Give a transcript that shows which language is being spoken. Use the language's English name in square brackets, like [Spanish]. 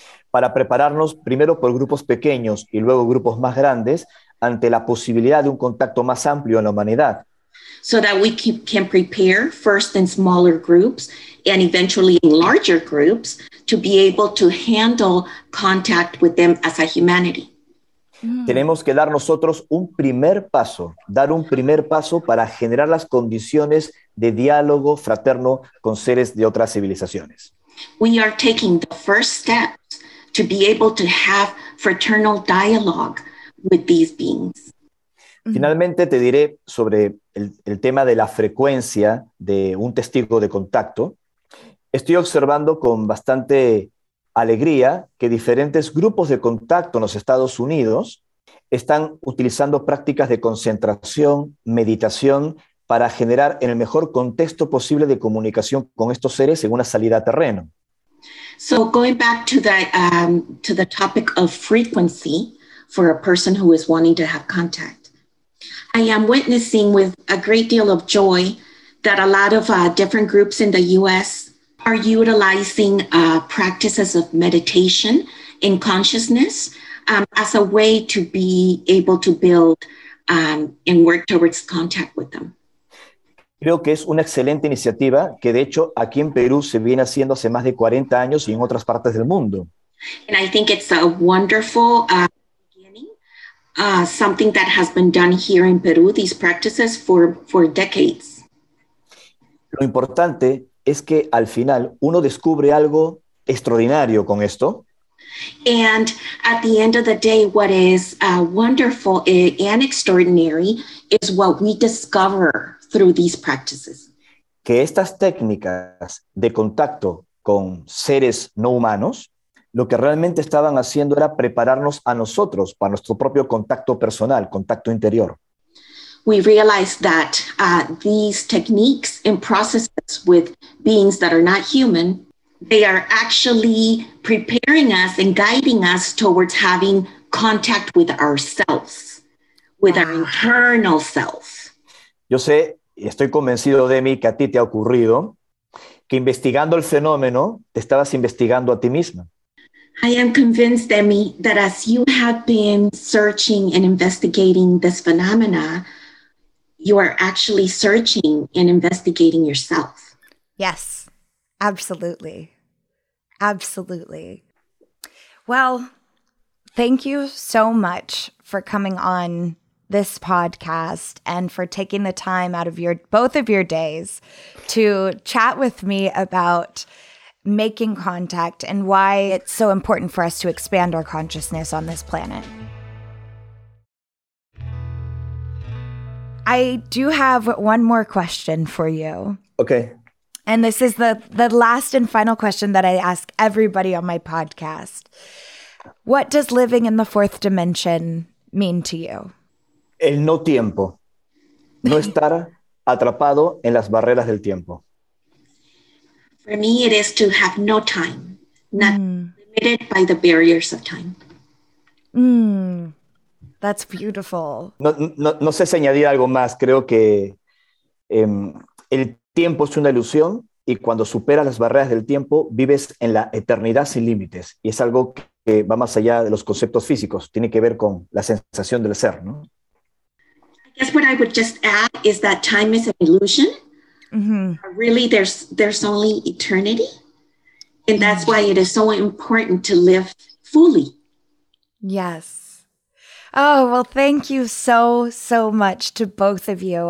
[Spanish] Para prepararnos primero por grupos pequeños y luego grupos más grandes ante la posibilidad de un contacto más amplio en la humanidad. [English] So that we can prepare first in smaller groups and eventually in larger groups to be able to handle contact with them as a humanity. [Spanish] Tenemos que dar nosotros un primer paso, dar un primer paso para generar las condiciones de diálogo fraterno con seres de otras civilizaciones. [English] We are taking the first steps to be able to have fraternal dialogue with these beings. [Spanish] Finalmente, te diré sobre el tema de la frecuencia de un testigo de contacto. Estoy observando con bastante alegría que diferentes grupos de contacto en los Estados Unidos están utilizando prácticas de concentración, meditación, para generar en el mejor contexto posible de comunicación con estos seres en una salida a terreno. [English] So going back to the topic of frequency for a person who is wanting to have contact, I am witnessing with a great deal of joy that a lot of different groups in the US are utilizing practices of meditation and consciousness as a way to be able to build and work towards contact with them. [Spanish] Creo que es una excelente iniciativa que de hecho aquí en Perú se viene haciendo hace más de 40 años y en otras partes del mundo. [English] And I think it's a wonderful something that has been done here in Peru, these practices for decades. [Spanish] Lo importante es que al final uno descubre algo extraordinario con esto. [English] And at the end of the day, what is wonderful and extraordinary is what we discover through these practices. [Spanish] Que estas técnicas de contacto con seres no humanos, lo que realmente estaban haciendo era prepararnos a nosotros para nuestro propio contacto personal, contacto interior. [English] We realize that these techniques and processes with beings that are not human, they are actually preparing us and guiding us towards having contact with ourselves, with our internal self. [Spanish] Yo sé. Estoy convencido, Demi, que a ti te ha ocurrido que investigando el fenómeno te estabas investigando a ti misma. [English] I am convinced, Emmy, that as you have been searching and investigating this phenomena, you are actually searching and investigating yourself. Yes, absolutely. Absolutely. Well, thank you so much for coming on this podcast and for taking the time out of both of your days to chat with me about making contact and why it's so important for us to expand our consciousness on this planet. I do have one more question for you. Okay. And this is the last and final question that I ask everybody on my podcast. What does living in the fourth dimension mean to you? [Spanish] El no tiempo, no estar atrapado en las barreras del tiempo. [English] For me, it is to have no time, not limited by the barriers of time. That's beautiful. [Spanish] No sé si añadir algo más, creo que el tiempo es una ilusión y cuando superas las barreras del tiempo vives en la eternidad sin límites y es algo que va más allá de los conceptos físicos, tiene que ver con la sensación del ser, ¿no? [English] I guess what I would just add is that time is an illusion. Really, there's only eternity, and that's why it is so important to live fully. Yes. Oh, well, thank you so much to both of you.